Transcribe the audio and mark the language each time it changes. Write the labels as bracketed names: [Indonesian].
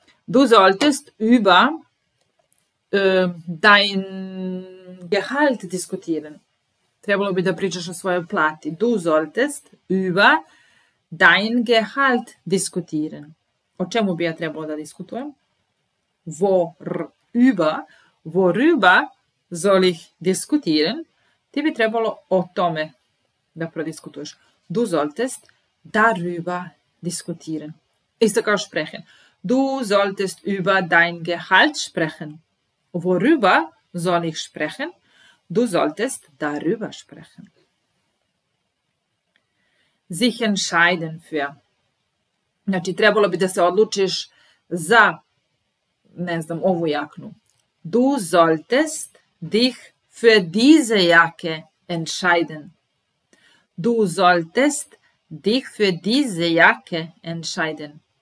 [German] Du solltest über dein Gehalt diskutieren. [Serbian] Trebalo bi da pričaš o svojoj plati. [German] Du solltest über dein Gehalt diskutieren. [Serbian] O čemu bi ja trebalo da diskutujem? [German] Worüber soll ich diskutieren? [Serbian] Ti bi trebalo o tome da prodiskutuješ. [German] Du solltest darüber diskutieren. [Serbian] Isto kao [German] sprechen. Du solltest über dein Gehalt sprechen. Worüber soll ich sprechen? Du solltest darüber sprechen. Sich entscheiden für. [Serbian] Znači, trebalo bi da se odlučiš za, ne znam, ovu jaknu. [German] Du solltest dich für diese Jacke entscheiden. Du solltest dich für diese Jacke entscheiden.